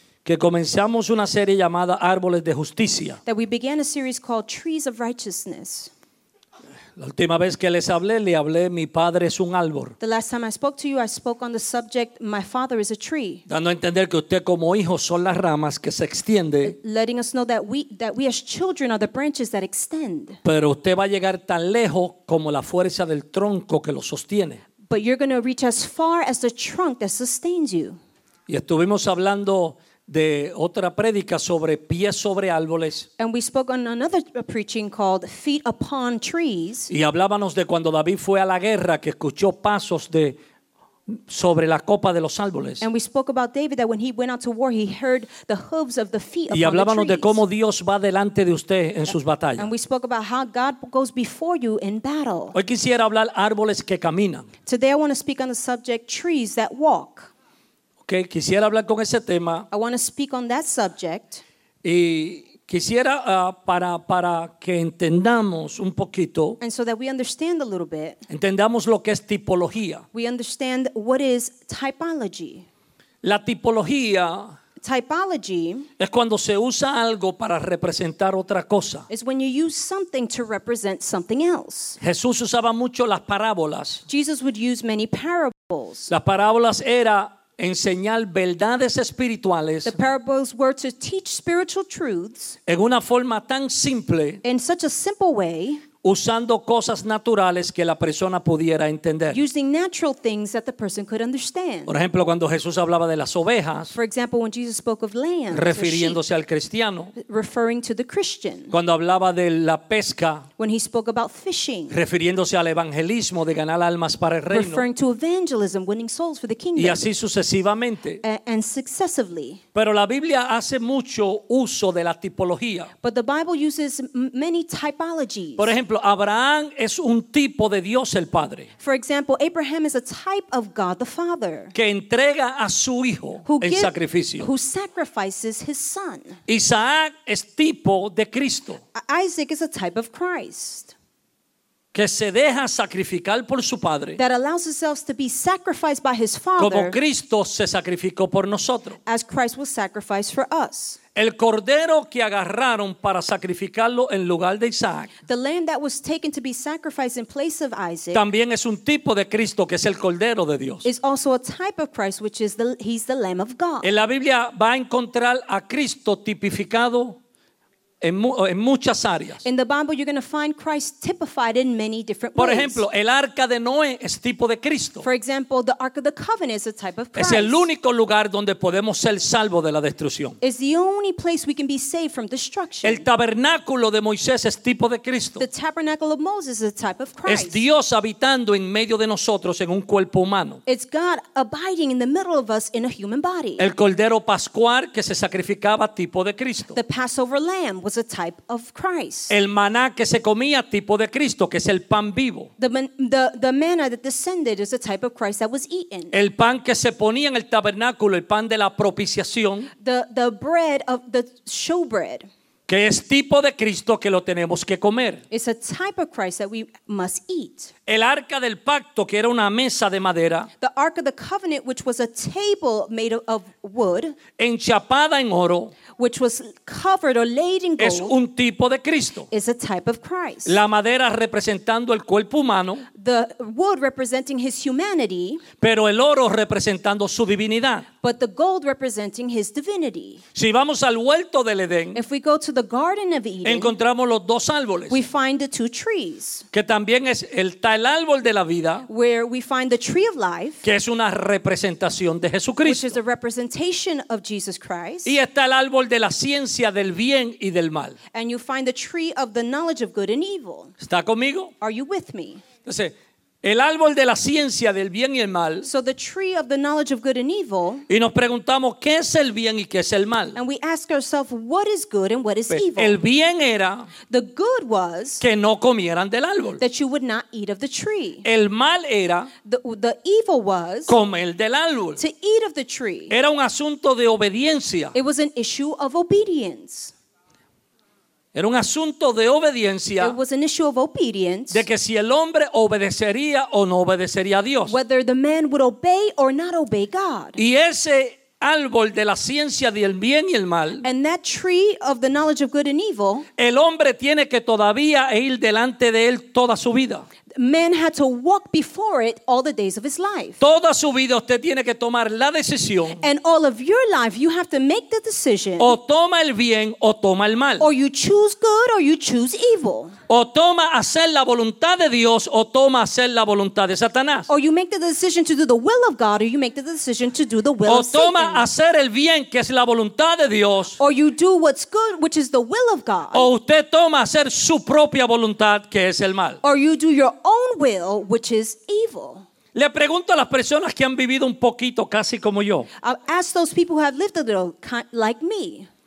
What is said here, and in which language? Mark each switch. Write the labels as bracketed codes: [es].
[es] que comenzamos una serie llamada Árboles de Justicia. [en] That we began a series called Trees of Righteousness. [es] La última vez que les hablé, le hablé, mi padre es un árbol. [en] The last time I spoke to you, I spoke on the subject, my father is a tree. [es] Dando a entender que usted como hijo son las ramas que se extiende. [en] Letting us know that we as children are the branches that extend. [es] Pero usted va a llegar tan lejos como la fuerza del tronco que lo sostiene. [en] But you're going to reach as far as the trunk that sustains you. [es] Y estuvimos hablando de otra prédica sobre pies sobre árboles. [en] And we spoke on another preaching called Feet Upon Trees. [es] Y hablábamos de cuando David fue a la guerra que escuchó pasos de sobre la copa de los árboles. [en] And we spoke about David that when he went out to war he heard the hooves of the feet upon the trees. [es] Y hablábamos de cómo Dios va delante de usted en sus batallas. [en] And we spoke about how God goes before you in battle. [es] Hoy quisiera hablar árboles que caminan. [en] Today I want to speak on the subject trees that walk. [es] Que quisiera hablar con ese tema. [en] I want to speak on that subject. [es] Y quisiera para que entendamos un poquito. [en] And so that we understand a little bit. [es] Entendamos lo que es tipología. [en] We understand what is typology. [es] La tipología. [en] Typology. [es] Es cuando se usa algo para representar otra cosa. [en] Is when you use something to represent something else. [es] Jesús usaba mucho las parábolas. [en] Jesus would use many parables. [es] Las parábolas era enseñar verdades espirituales. [en] The parables were to teach spiritual truths. [es] En una forma tan simple. [en] In such a simple way. [es] Usando cosas naturales que la persona pudiera entender. [en] Using natural things that the person could understand. [es] Por ejemplo, cuando Jesús hablaba de las ovejas. [en] For example, when Jesus spoke of lambs. [es] Refiriéndose al cristiano. [en] Referring to the Christian. [es] Cuando hablaba de la pesca. [en] When he spoke about fishing. [es] Refiriéndose al evangelismo de ganar almas para el reino. [en] Referring to evangelism, winning souls for the kingdom. [es] Y así sucesivamente. [en] And successively. [es] Pero la Biblia hace mucho uso de la tipología. [en] But the Bible uses many typologies. [es] Por ejemplo, Abraham es un tipo de Dios el Padre. [en] For example, Abraham is a type of God the Father. [es] Que entrega a su hijo en sacrificio. [en] Who sacrifices his son. [es] Isaac es tipo de Cristo. [en] Isaac is a type of Christ. [es] Que se deja sacrificar por su Padre. [en] That allows himself to be sacrificed by his Father. [es] Como Cristo se sacrificó por nosotros. [en] As Christ was sacrificed for us. [es] El cordero que agarraron para sacrificarlo en lugar de Isaac. [en] The lamb that was taken to be sacrificed in place of Isaac. [es] También es un tipo de Cristo que es el cordero de Dios. [en] Is also a type of Christ which is he's the lamb of God. [es] En la Biblia va a encontrar a Cristo tipificado en muchas áreas. [en] In the Bible you're going to find Christ typified in many different ways. [es] Por ejemplo, el arca de Noé es tipo de Cristo. [en] For example, the ark of the covenant is a type of Christ. [es] Es el único lugar donde podemos ser salvos de la destrucción. [en] It's the only place we can be saved from destruction. [es] El tabernáculo de Moisés es tipo de Cristo. [en] The tabernacle of Moses is a type of Christ. [es] Es Dios habitando en medio de nosotros en un cuerpo humano. [en] It's God abiding in the middle of us in a human body. [es] El cordero pascual que se sacrificaba tipo de Cristo. [en] The Passover lamb was a type of Christ. [es] El maná que se comía tipo de Cristo, que es el pan vivo. [en] The manna that descended is a type of Christ that was eaten. [es] El pan que se ponía en el tabernáculo, el pan de la propiciación. [en] The bread of the showbread. [es] Que es tipo de Cristo que lo tenemos que comer. [en] It's a type of Christ that we must eat. [es] El arca del pacto que era una mesa de madera. [en] The ark of the covenant which was a table made of wood. [es] Enchapada en oro. [en] Which was covered or laid in gold. [es] Es un tipo de Cristo. [en] Is a type of Christ. [es] La madera representando el cuerpo humano. [en] The wood representing his humanity. [es] Pero el oro representando su divinidad. [en] But the gold representing his divinity. [es] Si vamos al huerto del Edén. [en] If we go to the Garden of Eden. [es] Encontramos los dos árboles. [en] We find the two trees. [es] Que también es el árbol de la vida. [en] Where we find the tree of life. [es] Que es una representación de Jesucristo. [en] Which is a representation of Jesus Christ. [es] Y está el árbol de la ciencia del bien y del mal. [en] And you find the tree of the knowledge of good and evil. [es] ¿Está conmigo? [en] Are you with me? [es] Entonces, El árbol de la ciencia del bien y el mal. [en] So the tree of the knowledge of good and evil. [es] Y nos preguntamos qué es el bien y qué es el mal. [en] And we ask ourselves what is good and what is [es] pues, [en] evil. [es] El bien era [en] the good was [es] que no comieran del árbol. [en] That you would not eat of the tree. [es] El mal era [en] the evil was [es] comer del árbol. [en] To eat of the tree. [es] Era un asunto de obediencia. [en] It was an issue of obedience. [es] Era un asunto de obediencia. [en] It was an issue of obedience. [es] De que si el hombre obedecería o no obedecería a Dios. [en] Whether the man would obey or not obey God. [es] Y ese árbol de la ciencia del bien y el mal. [en] And that tree of the knowledge of good and evil. [es] El hombre tiene que todavía ir delante de él toda su vida. [en] Man had to walk before it all the days of his life. [es] Toda su vida usted tiene que tomar la decisión. [en] And all of your life you have to make the decision. [es] O toma el bien o toma el mal. [en] Or you choose good or you choose evil. [es] O toma hacer la voluntad de Dios o toma hacer la voluntad de Satanás. [en] Or you make the decision to do the will of God or you make the decision to do the will [es] o [en] of Satan. [es] O toma hacer el bien que es la voluntad de Dios. [en] Or you do what's good which is the will of God. [es] O usted toma hacer su propia voluntad que es el mal. [en] Or you do your own will, which is evil. [es] Le pregunto a las personas que han vivido un poquito, casi como yo. [en] I'll ask those people who have lived a little, like me.